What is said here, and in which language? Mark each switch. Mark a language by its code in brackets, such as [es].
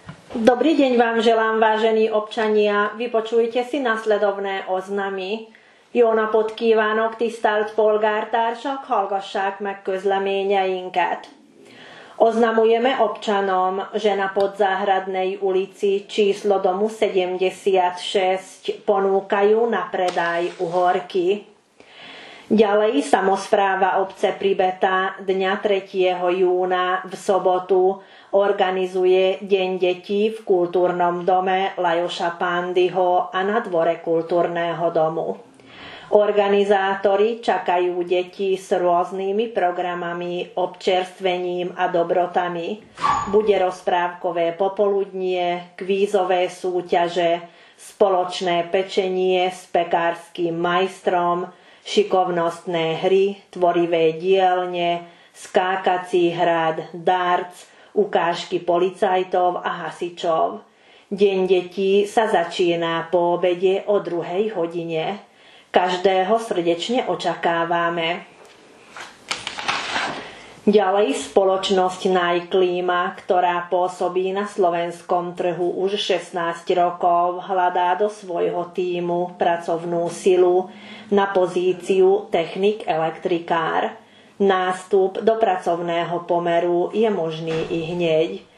[sk] Dobrý deň vám želám, vážení občania. Vypočujte si nasledovné oznamy. [hu] Jónapot kívánok, tisztelt polgártársak, hallgassák meg közleményeinket. [sk] Oznamujeme občanom, že na Podzáhradnej ulici číslo domu 76 ponúkajú na predaj uhorky. Ďalej samospráva obce Pribeta dňa 3. júna v sobotu organizuje Deň detí v kultúrnom dome Lajoša Pándyho a na dvore kultúrneho domu. Organizátori čakajú deti s rôznymi programami, občerstvením a dobrotami. Bude rozprávkové popoludnie, kvízové súťaže, spoločné pečenie s pekárskym majstrom, šikovnostné hry, tvorivé dielne, skákací hrad, darts, ukážky policajtov a hasičov. Deň detí sa začína po obede o 2. hodine. Každého srdečne očakávame. Ďalej spoločnosť Najklíma, ktorá pôsobí na slovenskom trhu už 16 rokov, hľadá do svojho tímu pracovnú silu na pozíciu technik elektrikár. Nástup do pracovného pomeru je možný i hneď.